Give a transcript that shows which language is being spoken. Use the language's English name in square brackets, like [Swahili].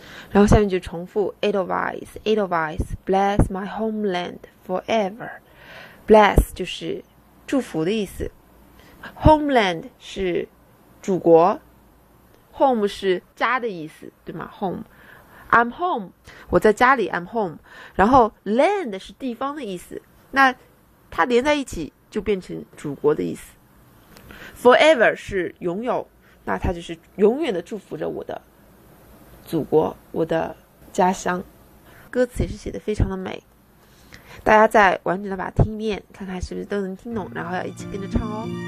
[Chinese] 然后下面就重复 [English] Edelweiss, bless my homeland forever. [Chinese] Bless 就是祝福的意思。Homeland 是祖国。 Home 是家的意思，对吗 ?Home。 [English] I'm home, [Chinese] 我在家里 [English] I'm home。 [Chinese] 然后 land 是地方的意思。那它连在一起就变成祖国的意思。 Forever 是拥有，那它就是永远的祝福着我的。祖国，我的家乡，歌词也是写得非常的美，大家再完整的把它听一遍，看看是不是都能听懂，然后要一起跟着唱哦。